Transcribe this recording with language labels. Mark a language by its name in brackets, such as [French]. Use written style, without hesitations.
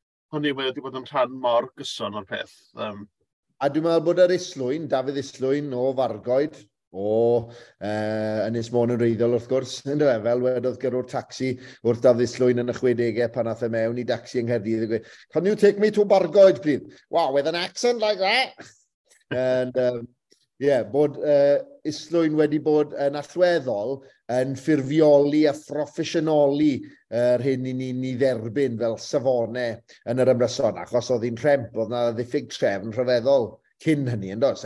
[Welsh] Hwn i, mae wedi bod yn rhan mor gyson o'r peth. A dwi'n meddwl bod yr Islwyn, Dafydd Islwyn o Fargoed, o Ynys Môn yn reiddol wrth gwrs, fel wedodd gyrwyr tacsi wrth Dafydd Islwyn yn y 60au pan aeth e mewn i dacsi yng Nghaerdydd. [English] Can you take me to Fargoed, please? Wow, with an accent like that! [Welsh] And, bod Islwyn wedi bod yn allweddol yn ffurfioli a phroffesiynoli yr hyn i ni'n ei dderbyn fel safonau yn yr ymryson, achos oedd hi'n rhemp, oedd na ddiffyg trefn rhyfeddol cyn hynny, ynddo?